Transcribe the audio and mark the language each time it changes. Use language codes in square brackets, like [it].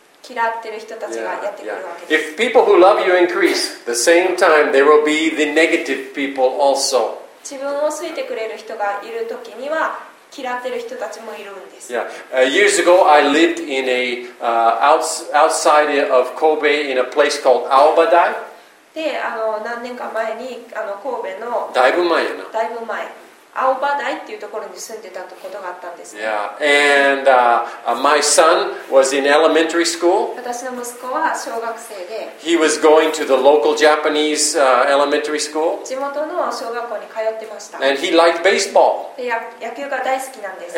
[ja] 嫌ってる人たちがやってくるわけです。 Yeah, yeah. [en] If people who love you increase, the same time there will be the negative people also. [ja] 自分を好いてくれる人がいるときには嫌ってる人たちもいるんです。 Yeah. [en] Years ago, I lived in a outside of Kobe in a place called Aobadai. [ja] で、何年か前に神戸のだいぶ前やな。だいぶ前。青葉台っていうところに住んでたことがあったんです。 [en] Yeah, and my son was in elementary school. [ja] 私の息子は小学生で、 [en] He was going to the local Japanese elementary school. [ja] 地元の小学校に通ってました。 [en] And he liked baseball. [ja] で、野球が大好きなんです。